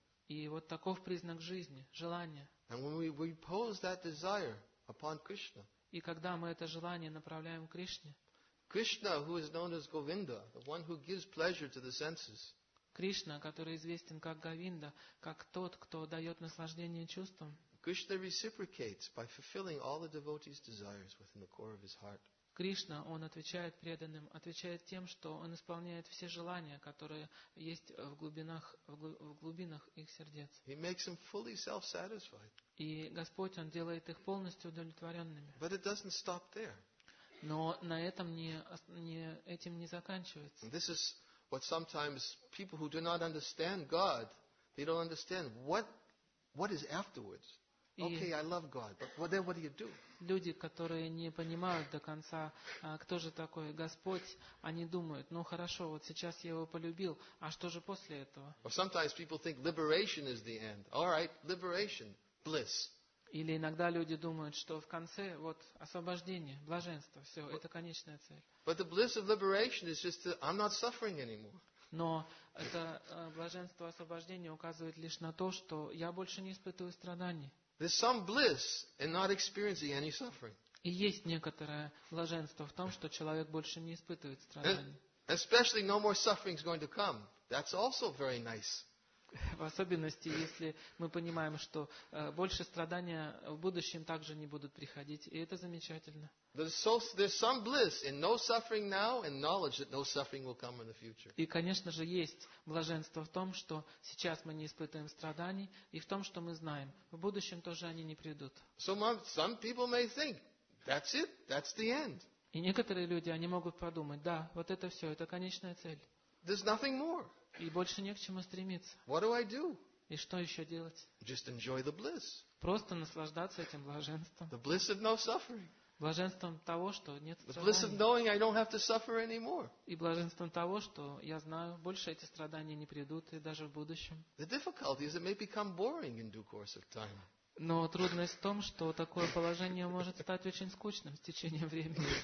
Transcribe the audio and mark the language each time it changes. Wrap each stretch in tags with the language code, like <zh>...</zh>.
<ru>И вот таков признак жизни, желание.</ru> <en>And when we impose that desire upon Krishna,</en> <ru>и когда мы это желание направляем к Кришне,</ru> <en>Krishna, who is known as Govinda, the one who gives pleasure to the senses,</en> <ru>Кришна, который известен как Говинда, как тот, кто дает наслаждение чувствам,</ru> <en>Krishna reciprocates by fulfilling all the devotees' desires within the core of his heart.</en> <ru>Кришна, он отвечает преданным, отвечает тем, что он исполняет все желания, которые есть в глубинах их сердец.</ru> <en>He makes them fully self-satisfied.</en> <ru>И Господь, он делает их полностью удовлетворенными.</ru> <en>But it doesn't stop there.</en> <ru>Но на этом этим не заканчивается.</ru> <en>This is what sometimes people who do not understand God, they don't understand what is afterwards. Okay, I love God, but then what do you do?</en> <ru>Люди, которые не понимают до конца, кто же такой Господь, они думают: ну хорошо, вот сейчас я его полюбил, а что же после этого?</ru> <en>Or sometimes people think liberation is the end. All right, liberation, bliss.</en> <ru>Или иногда люди думают, что в конце вот освобождение, блаженство, все, это конечная цель.</ru> <en>But the bliss of liberation is just that I'm not suffering anymore.</en> <ru>Но это блаженство освобождения указывает лишь на то, что я больше не испытываю страданий.</ru> <en>There's some bliss in not experiencing any suffering.</en> <ru>И есть некоторое блаженство в том, что человек больше не испытывает страданий.</ru> <en>Especially no more suffering is going to come. That's also very nice.</en> <ru>В особенности, если мы понимаем, что больше страдания в будущем также не будут приходить, и это замечательно.</ru> <en>There's some bliss in no suffering now and knowledge that no suffering will come in the future.</en> <ru>И, конечно же, есть блаженство в том, что сейчас мы не испытываем страданий, и в том, что мы знаем, в будущем тоже они не придут.</ru> <en>Some people may think that's it, that's the end.</en> <ru>И некоторые люди, они могут подумать: да, вот это все, это конечная цель.</ru> <en>There's nothing more.</en> <ru>И больше не к чему стремиться.</ru> <en>What do I do?</en> <ru>И что еще делать?</ru> <en>Just enjoy the bliss.</en> <ru>Просто наслаждаться этим блаженством.</ru> <en>The bliss of no suffering.</en> <ru>Блаженством того, что нет страданий.</ru> <en>The bliss of knowing I don't have to suffer anymore.</en> <ru>И блаженством того, что я знаю, больше эти страдания не придут, и даже в будущем.</ru> <en>The difficulty is it may become boring in due course of time.</en> <ru>Но трудность в том, что такое положение может стать очень скучным с течением времени.</ru>